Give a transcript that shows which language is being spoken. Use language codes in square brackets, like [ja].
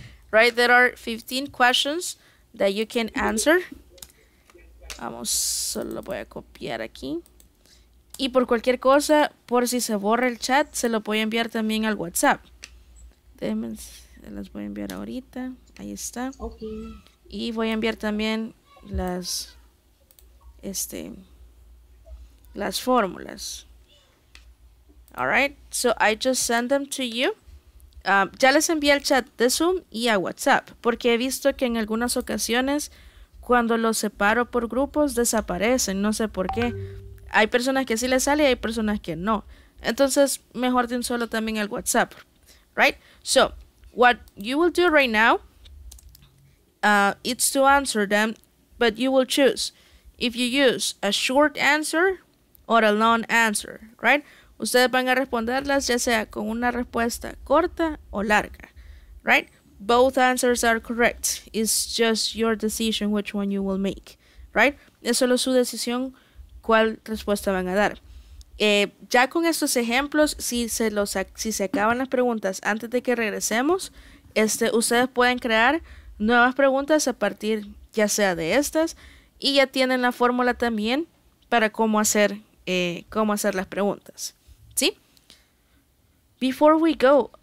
[en] Right, there are 15 questions that you can answer. [es] Vamos, solo voy a copiar aquí. Y por cualquier cosa, por si se borra el chat, se lo voy a enviar también al WhatsApp. Déjenme, las voy a enviar ahorita. Ahí está. [en] Okay. [es] Y voy a enviar también las, las fórmulas. All right. [en] So I just send them to you. [es] Ya les envié al chat de Zoom y a WhatsApp, porque he visto que en algunas ocasiones cuando los separo por grupos desaparecen, no sé por qué. Hay personas que sí les sale y hay personas que no. Entonces, mejor de un solo también al WhatsApp, right? [en] So, what you will do right now, it's to answer them, but you will choose if you use a short answer or a long answer, right? [es] Ustedes van a responderlas ya sea con una respuesta corta o larga, right? [en] Both answers are correct. It's just your decision which one you will make, right? [es] Es solo su decisión cuál respuesta van a dar. Ya con estos ejemplos, si se acaban las preguntas antes de que regresemos, ustedes pueden crear nuevas preguntas a partir ya sea de estas y ya tienen la fórmula también para cómo hacer las preguntas. [en] Before we go,